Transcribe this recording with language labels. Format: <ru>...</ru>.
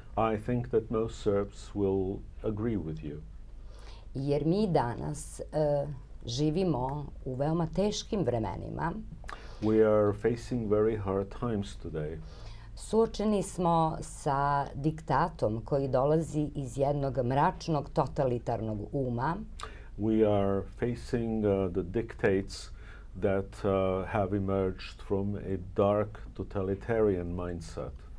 <en>I think that most Serbs will agree with you.</en> <sr>Jer mi danas živimo u veoma teškim vremenima.</sr> <en>We are facing very hard times today.</en> <sr>Suočeni smo sa diktatom koji dolazi iz jednog mračnog totalitarnog uma.</sr> <en>We are facing the dictates that have emerged from a dark totalitarian mindset.</en>